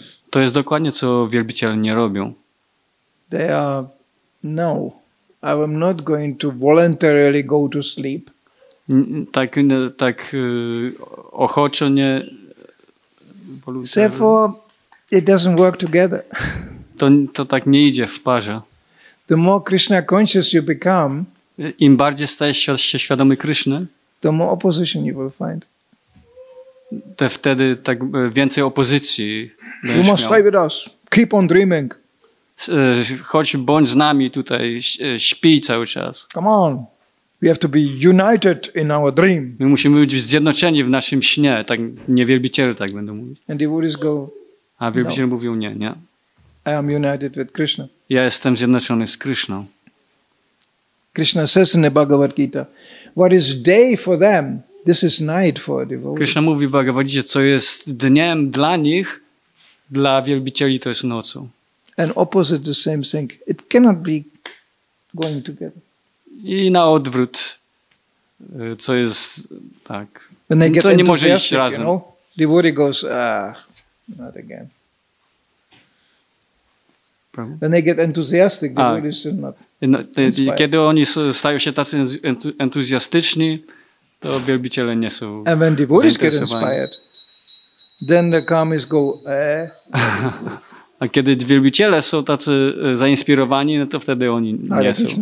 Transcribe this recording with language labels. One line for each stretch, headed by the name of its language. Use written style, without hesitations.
Polish: To jest dokładnie, co wielbiciele nie robią.
English: They are, no, I am not going to voluntarily go to sleep.
Polish: Tak ochoczo nie.
English: Therefore, it doesn't work together.
Polish: To tak nie idzie w parze.
English: The more Krishna conscious you become,
Polish: im bardziej stajesz się świadomy Krishny,
English: the more opposition you will find.
Polish: To wtedy tak więcej opozycji.
English: You must stay with us. Keep on dreaming.
Polish: Chodź, bądź z nami tutaj, śpi cały czas.
English: Come on. We have to be united in our dream.
Polish: My musimy być zjednoczeni w naszym śnie, tak nie wielbiciele tak będą mówić.
English: And devotees go.
Polish: A wielbiciele mówią nie.
English: I am united with Krishna.
Polish: Ja jestem zjednoczony z Krishną.
English: Krishna says in the Bhagavad Gita, what is day for them, this is night for a devotee.
Polish: Krishna mówi w Bhagavad Gita, co jest dniem dla nich, dla wielbicieli to jest nocą.
English: And opposite the same thing. It cannot be going together.
Polish: I na odwrót, co jest tak. To nie może iść razem.
English: You know, devotee goes, not again. Problem? When they get enthusiastic, devotee is not inspired.
Polish: Kiedy oni stają się tacy entuzjastyczni, to wielbiciele nie są.
English: And when devotees get inspired, then the karmis go,
Polish: A kiedy wielbiciele są tacy zainspirowani, no to wtedy oni nie są.